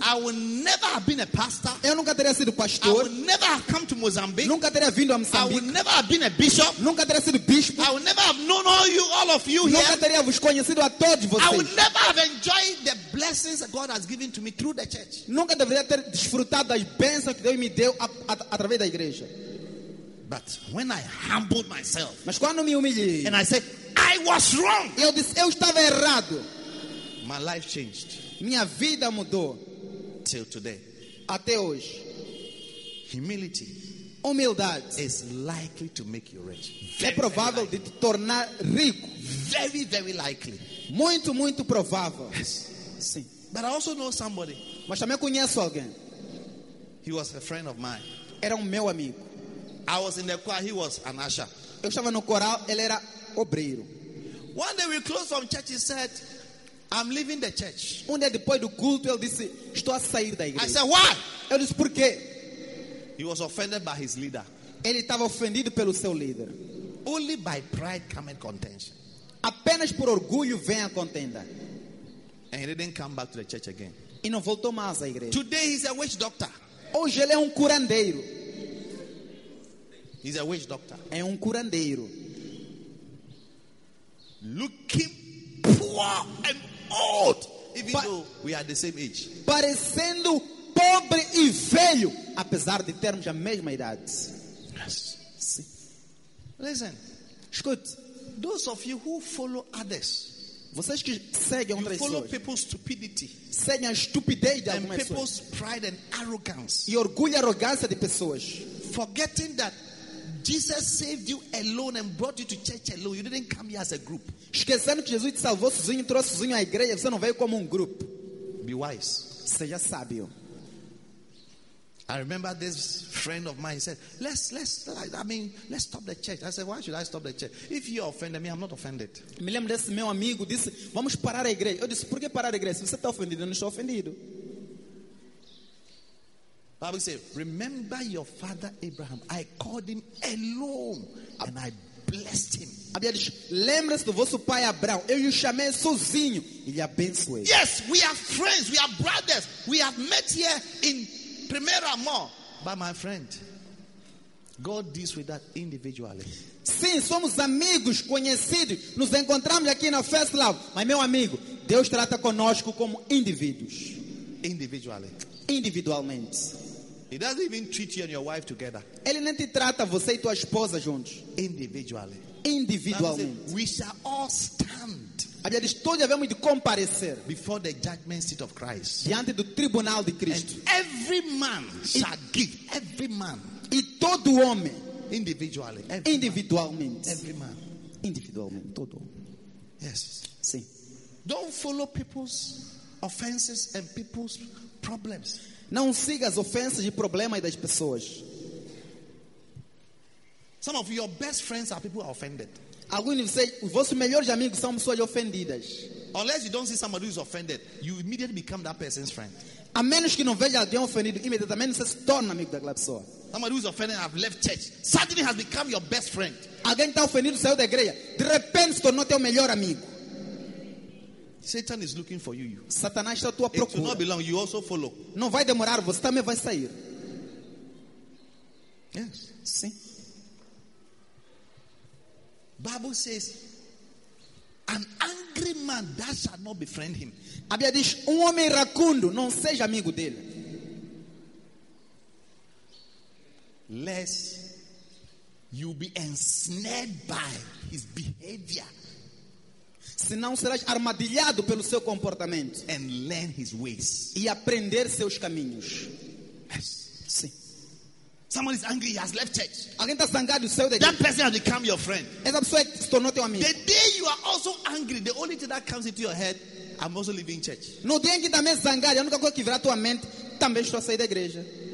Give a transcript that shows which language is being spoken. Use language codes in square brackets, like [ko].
[en] I would never have been a pastor. [pt] Eu nunca teria sido pastor. [en] I would never have come to Mozambique. [pt] Nunca teria vindo a Moçambique. [en] I would never have been a bishop. [pt] Nunca teria sido bispo. [en] I would never have known all of you [pt] nunca [en] here. [pt] Nunca teria vos conhecido a todos vocês. [en] I would never have enjoyed the blessings God has given to me through the church. [pt] Nunca deveria ter desfrutado das bênçãos que Deus me deu através da igreja. [en] But when I humbled myself, [pt] mas quando me humilhei, [en] and I said I was wrong, [pt] eu disse eu estava errado. [en] My life changed. [pt] Minha vida mudou. [en] Till today. [pt] Até hoje. [en] Humility. [pt] Humildade. [en] Is likely to make you rich. [pt] Very, é provável de te tornar rico. [en] Very, very likely. [pt] Muito, muito provável. [en] Yes. [pt] Sim. [en] But I also know somebody. [pt] Mas também conheço alguém. [en] He was a friend of mine. [pt] Era meu amigo. [en] I was in the choir. He was an usher. [pt] Eu estava no coral. Ele era obreiro. [en] One day we closed from church. He said, I'm leaving the church. [pt] Um dia depois do culto, ele disse, estou a sair da igreja. [en] I said, why? [pt] Eu disse, por quê? [en] He was offended by his leader. [pt] Ele estava ofendido pelo seu líder. [en] Only by pride comes contention. [pt] Apenas por orgulho vem a contenda. [en] And he didn't come back to the church again. [pt] E não voltou mais à igreja. [en] Today he's a witch doctor. [pt] Hoje ele é curandeiro. [en] He's a witch doctor. [pt] É curandeiro. [en] Looking poor and old, even though we are the same age. [pt] Parecendo pobre e velho, apesar de termos a mesma idade. [en] Yes. [pt] Sim. [en] Listen. [pt] Escute. [en] Those of you who follow others. [pt] Vocês que seguem outras pessoas. [en] Follow people's stupidity. [pt] Seguem a estupidez de algumas pessoas. [en] And people's pride and arrogance. [pt] E orgulho e arrogância de pessoas. [en] Forgetting that Jesus saved you alone and brought you to church alone. You didn't come here as a group. [pt] Esquecendo que Jesus te salvou sozinho, trouxe sozinho à igreja, você não veio como grupo. [en] Be wise. [pt] Seja sábio. [en] I remember this friend of mine said, let's stop the church. I said, why should I stop the church? If you offended me, I'm not offended. [pt] Me lembro desse meu amigo disse, vamos parar a igreja. Eu disse, por que parar a igreja? Se você está ofendido, eu não estou ofendido. [en] Bible says, remember your father Abraham. I called him alone and I blessed him. [pt] A Bíblia diz, lembra-se do vosso pai Abraão. Eu o chamei sozinho e lhe abençoei. [en] Yes, we are friends. We are brothers. We have met here in [pt] primeiro amor. [en] But my friend, God deals with that individually. [pt] Sim, somos amigos conhecidos. Nos encontramos aqui na First Love. Mas meu amigo, Deus trata conosco como indivíduos. Individualmente. [en] He doesn't even treat you and your wife together. [pt] Ele nem te trata você e tua esposa juntos. [en] Individualmente. We shall all stand. [pt] A Bíblia diz, todos devemos de comparecer. [en] Before the judgment seat of Christ. [pt] Diante do tribunal de Cristo. [en] And every man shall give. Every man. [pt] E todo homem. [en] Individually. [pt] Individualmente. [en] Every man. [pt] Individualmente. Todo homem. [en] Yes. [pt] Sim. [en] Don't follow people's offenses and people's problems. [pt] Não siga as ofensas e problemas das pessoas. [en] Some of your best friends are people who are offended. [pt] Alguns de vocês, os vossos melhores amigos são pessoas ofendidas. [en] Unless you don't see somebody who is offended, you immediately become that person's friend. [pt] A menos que não veja alguém ofendido, imediatamente se torna amigo daquela pessoa. [en] Somebody who is offended and have left church suddenly has become your best friend. [pt] Alguém está ofendido, saiu da igreja, de repente se tornou teu melhor amigo. [en] Satan is looking for you. [pt] Satanás está à tua procura. [en] It will not be long, you also follow. [pt] Não vai demorar, você também vai sair. [en] Yes. [pt] Sim. [en] Bible says, an angry man, that shall not befriend him. [pt] A Bíblia diz, homem iracundo, não seja amigo dele. [en] Lest you be ensnared by his behavior. [pt] Senão serás armadilhado pelo seu comportamento. [en] And learn his ways. [pt] E aprender seus caminhos. [en] Yes. [pt] Sim. [en] Someone is angry, he has left church. [pt] Alguém está zangado, saiu da [en] igreja. That person has become your friend. [pt] Essa pessoa se tornou teu amigo. [en] The day you are also angry, the only thing that comes into your head, I'm also leaving church. [pt] No dia em que também zangado, a única coisa que virá tua mente, também estou a sair da igreja.